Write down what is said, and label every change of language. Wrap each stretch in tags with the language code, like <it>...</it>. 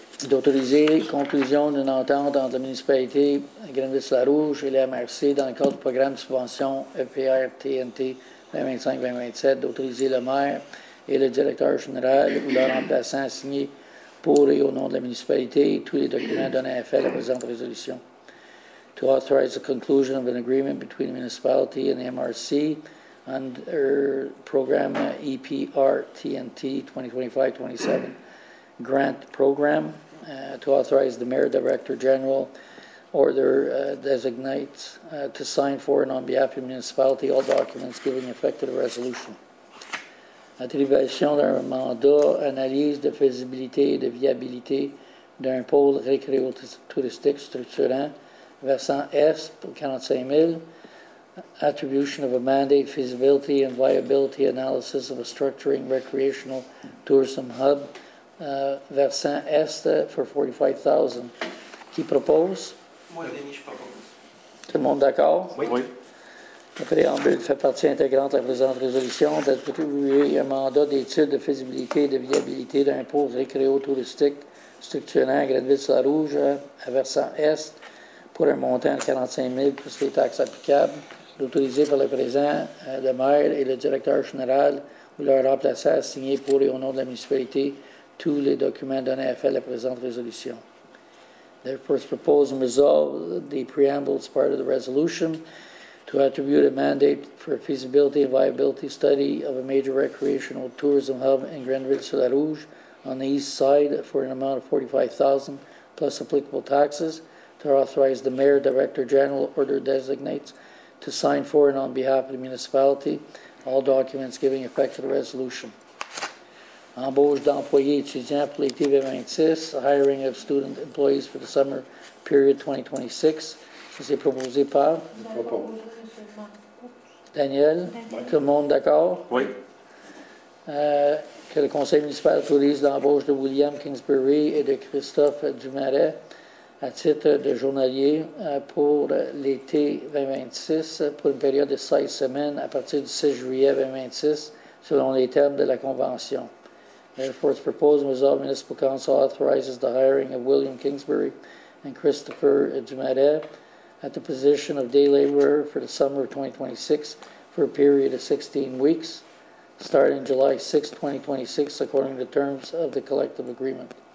<fr>D'autoriser conclusion d'une entente entre la municipalité Grenville-la-Rouge et le MRC dans le cadre du programme de subvention EPRTNT 2025-2027, d'autoriser le maire et le directeur général ou leur remplaçant à signer pour et au nom de la municipalité tous les documents donnés à effet de la présente résolution.</fr> <en>To authorize the conclusion of an agreement between the municipality and the MRC under program EPRTNT 2025-27 grant program. To authorize the mayor director general or their designates to sign for and on behalf of the municipality all documents giving effect to the resolution.</en> <fr>Attribution d'un mandat, analyse de faisabilité et de viabilité d'un pôle récréo-touristique structurant, versant S pour 45 000.</fr> <en>Attribution of a mandate, feasibility and viability analysis of a structuring recreational tourism hub, versant S for 45,000.</en> <fr>Qui propose? Moi, Denis, je propose. Tout le monde d'accord? Oui. Le préambule fait partie intégrante de la présente résolution d'attribuer un mandat d'étude de faisabilité et de viabilité d'un pôle récréo-touristique structurant à Grenville-la-Rouge à versant Est pour un montant de 45 000 plus les taxes applicables, autorisé par le présent de maire et le directeur général ou leur remplaçant à signer pour et au nom de la municipalité tous les documents donnés à fait de la présente résolution.</fr> <en>The first proposal resolve the preamble as part of the resolution. To attribute a mandate for a feasibility and viability study of a major recreational tourism hub in Grenville-la-Rouge on the east side for an amount of 45,000 plus applicable taxes, to authorize the mayor, director general, or their designates to sign for and on behalf of the municipality all documents giving effect to the resolution.</en> <fr>Embauche d'employés étudiants pour l'été 2026,</fr> <en>hiring of student employees for the summer period 2026.</en> <fr>C'est proposé par. Daniel, oui. Tout le monde d'accord? Oui. Que le conseil municipal autorise l'embauche de William Kingsbury et de Christophe Dumaret à titre de journalier pour l'été 2026 pour une période de 16 semaines à partir du 6 juillet 2026 selon les termes de la convention.</fr> <en>Therefore, it's proposed and resolved municipal council authorizes the hiring of William Kingsbury and Christopher Dumaret at the position of day laborer for the summer of 2026 for a period of 16 weeks, starting July 6, 2026, according to the terms of the collective agreement.</en>